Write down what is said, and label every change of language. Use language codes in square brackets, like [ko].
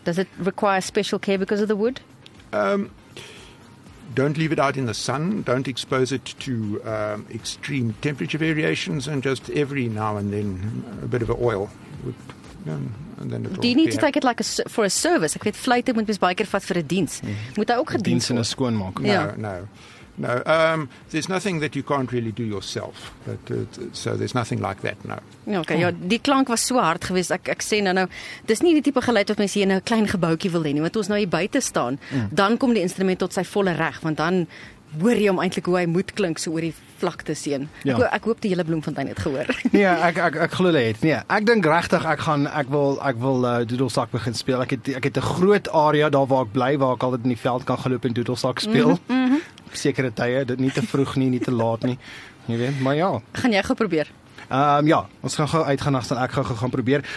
[en] Does it require special care because of the wood? Don't leave it out in the sun, don't expose it to extreme temperature variations, and just every now and then a bit of oil would. And then do you need to take it like for a service? [af] Ek weet vleite moet mes baie keer vat vir 'n diens. Moet hy ook gedien word? Diens en skoonmaak. [en] No. There's nothing that you can't really do yourself. So there's nothing like that, no. [af] Okay, ja, die klank was so hard geweest. Ek sê nou, dis nie die tipe geluid wat mens hier in 'n klein gebouwtje wil hê nie. Want ons nou hier buite staan, dan kom die instrument tot sy volle reg, want dan hoor jy hom eintlik hoe hy moet klink so oor die vlakte seën. Ek hoop die hele Bloemfontein het gehoor. Nee, ek glo hulle het. Nee, ek dink regtig ek wil doedelsak begin speel. Ek het 'n groot area daar waar ek bly waar ek altyd in die veld kan geloop en doedelsak speel. Sekere tye, dit nie te vroeg nie, nie te laat nie. Jy weet, maar ja. Gaan jy gou probeer? Ja, ons gaan gou uitgaan en ek gaan probeer.